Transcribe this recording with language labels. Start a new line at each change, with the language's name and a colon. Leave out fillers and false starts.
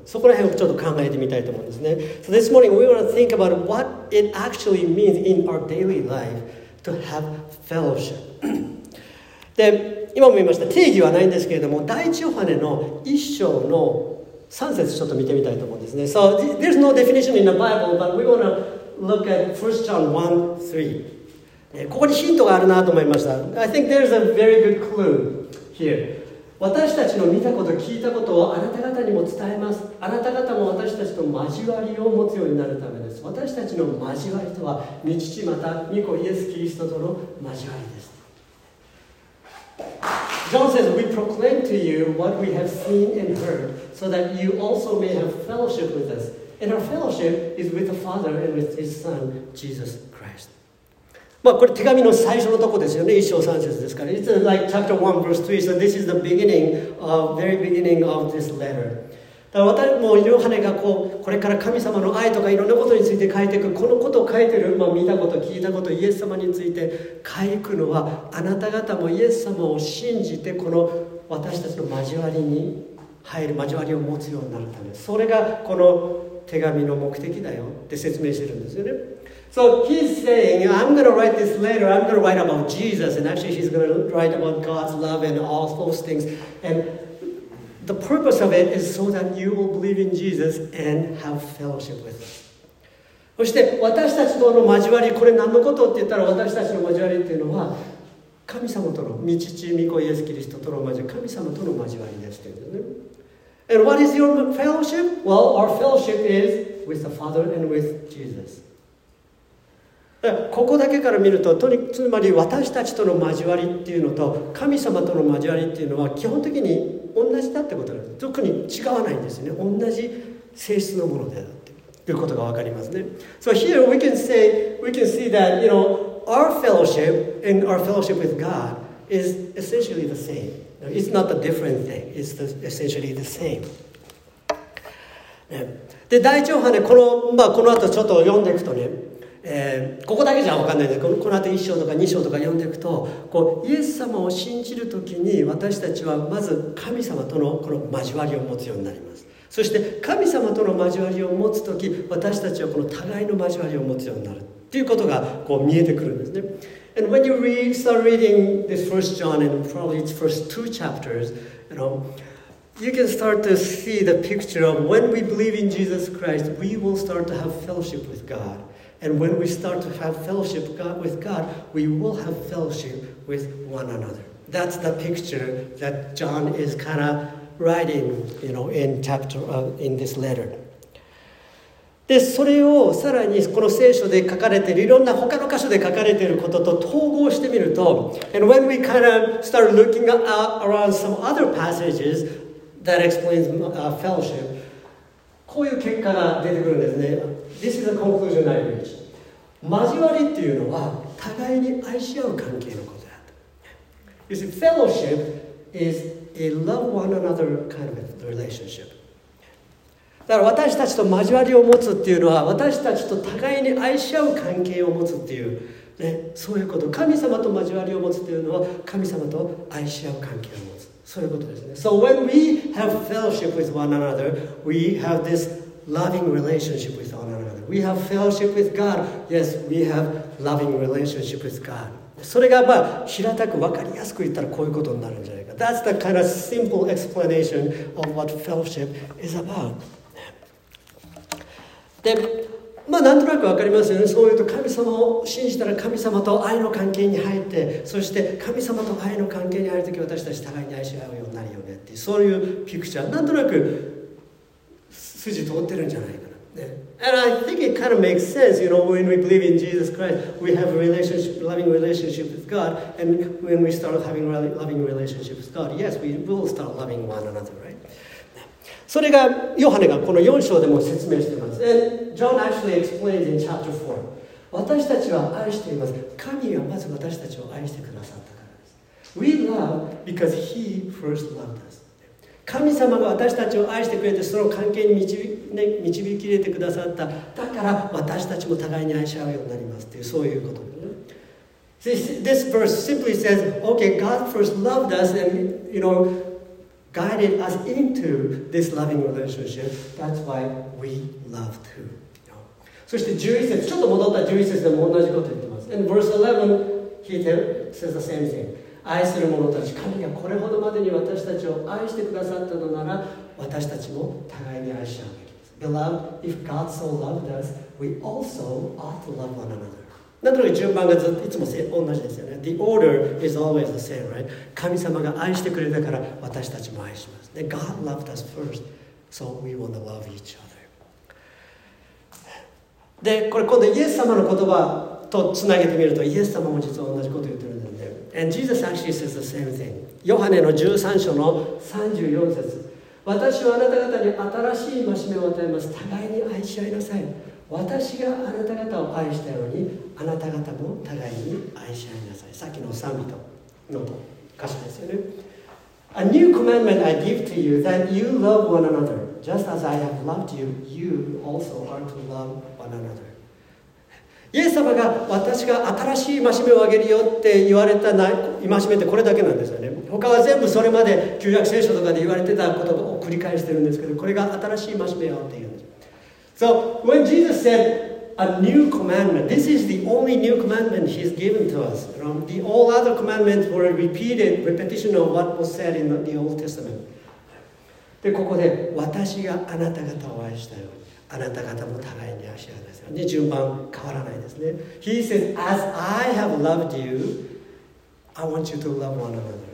Japanese: そこら辺をちょっと考えてみたいと思うんですね。
English: So this morning we want to think about what it actually means in our daily life to have fellowship.
Japanese: で、今も言いました。定義はないんですけれども、第一ヨハネの一章の三節ちょっと見てみたいと思うんですね。
English: So there's no definition in the Bible, but we want to look at 1 John 1:3.
Japanese: ここにヒントがあるなと思いました。
English: I think there's a very good clue here.
Japanese: 私たちの見たこと聞いたことをあなた方にも伝えます。あなた方も私たちと交わりを持つようになるためです。私たちの交わりとは、御父また御子イエス・キリストとの交わりです。
English: John says, We proclaim to you what we have seen and heard, so that you also may have fellowship with us. And our fellowship is with the Father and with His Son, Jesus Christ.
Japanese: まあ、これ手紙の最初のとこですよね。一章三節ですから。
English: It's like chapter 1 verse 3. So this is the beginning of, very beginning of this letter.
Japanese: だから私もヨハネがこう、これから神様の愛とかいろんなことについて書いていく、このことを書いてる、まあ、見たこと、聞いたこと、イエス様について書いていくのは、あなた方もイエス様を信じて、この私たちの交わりに入る、交わりを持つようになるため。それがこの手紙の目的だよって説明してるんですよね。
English: So he's saying, I'm going to write this letter, I'm going to write about Jesus, and actually he's going to write about God's love and all those things. And the purpose of it is so that you will believe in Jesus and have fellowship with us.
Japanese: そして私たちとの交わり、これ何のことって言ったら私たちの交わりっていうのは神様との、御父、御子、イエス・キリストとの交わり、神様との交わりですけどね。
English: And what is your fellowship? Well, our fellowship is with the Father and with Jesus.
Japanese: ここだけから見ると、つまり私たちとの交わりっていうのと神様との交わりっていうのは基本的に同じだってことなんです。特に違わないんですよね。同じ性質のものだっていうことがわかりますね。
English: So here we can say, we can see that, you know, our fellowship and our fellowship with God is essentially the same. It's not a different thing. It's essentially the same.
Japanese: ね、で第一ヨハネこの、まあ、この後ちょっと読んでいくとね、ここだけじゃ分かんないんですけど、この後1章とか2章とか読んでいくと、こうイエス様を信じるときに私たちはまず神様とのこの交わりを持つようになります。そして神様との交わりを持つとき、私たちはこの互いの交わりを持つようになるっていうことがこう見えてくるんですね。
English: And when you start reading this first John and probably its first two chapters, you know, you can start to see the picture of when we believe in Jesus Christ, we will start to have fellowship with God. And when we start to have fellowship with God, we will have fellowship with one another. That's the picture that John is kind of writing, you know, in chapter, in this letter.
Japanese: で、それをさらにこの聖書で書かれている、いろんな他の箇所で書かれていることと統合してみると、
English: And when we kind of start looking around some other passages that explains fellowship,
Japanese: こういう結果が出てくるんですね。
English: This is a conclusion I reached.
Japanese: 交わりっていうのは、互いに愛し合う関係のことだと。
English: You see, fellowship is a love one another kind of relationship.
Japanese: だから私たちと交わりを持つっていうのは、私たちと互いに愛し合う関係を持つっていう、ね、そういうこと。神様と交わりを持つっていうのは、神様と愛し合う関係を持つ。そういうことですね。
English: So when we have fellowship with one another, we have this loving relationship with one another. We have fellowship with God. Yes, we have loving relationship with God.
Japanese: それがまあ平たく分かりやすく言ったらこういうことになるんじゃないか。
English: That's the kind of simple explanation of what fellowship is about.
Japanese: で、まあなんとなくわかりますよね。そういうと神様を信じたら神様と愛の関係に入って、そして神様と愛の関係に入るとき私たち互いに愛し合うようになるよねっていう、そういうピクチャー、なんとなく筋通ってるんじゃないかな。
English: ね、And I think it kind of makes sense, you know, when we believe in Jesus Christ, we have a relationship, loving relationship with God, and when we start having a loving relationship with God, yes, we will start loving one another, right?
Japanese: それがヨハネがこの4章でも説明しています。
English: And John actually explains in chapter 4.
Japanese: 私たちは愛しています。神がまず私たちを愛してくださったからです。
English: We love because he first loved us.
Japanese: 神様が私たちを愛してくれて、その関係に導き入れてくださった。だから私たちも互いに愛し合うようになりますっていう、そういうことですね。
English: This verse simply says, okay, God first loved us and, you know,guided us into this loving relationship. That's why we love too. You know?
Japanese: そして11節、ちょっと戻った11節でも同じこと言ってます。
English: And verse 11, he says the same thing.
Japanese: 愛する者たち、神がこれほどまでに私たちを愛してくださったのなら、私たちも互いに愛し合うべきです。
English: Beloved, if God so loved us, we also ought to love one another.
Japanese: なんとなく順番がずっといつも同じですよね。
English: The order is always the same, right?
Japanese: 神様が愛してくれたから私たちも愛します。
English: で、God loved us first, so we want to love each other.
Japanese: で、これ今度イエス様の言葉とつなげてみると、イエス様も実は同じこと言ってるんだよね。
English: And Jesus actually says the same thing.
Japanese: ヨハネの13章の34節。私はあなた方に新しい戒めを与えます。互いに愛し合いなさい。私があなた方を愛したように、あなた方も互いに愛し合いなさい。さっきの賛美との歌詞ですよね。
English: A new commandment I give to you, that you love one another. Just as I have loved you, you also are to love one another.
Japanese: イエス様が私が新しい戒めをあげるよって言われた戒めってこれだけなんですよね。他は全部それまで旧約聖書とかで言われてたことを繰り返してるんですけど、これが新しい戒めよっていう。
English: So when Jesus said a new commandment, this is the only new commandment he's given to us. The all other commandments were repetition of what was said in the Old Testament.
Japanese: で、ここで私があなた方を愛したように、あなた方も互いに愛し合うんですよ。で、順番変わらないですね。
English: He says, as I have loved you, I want you to love one another.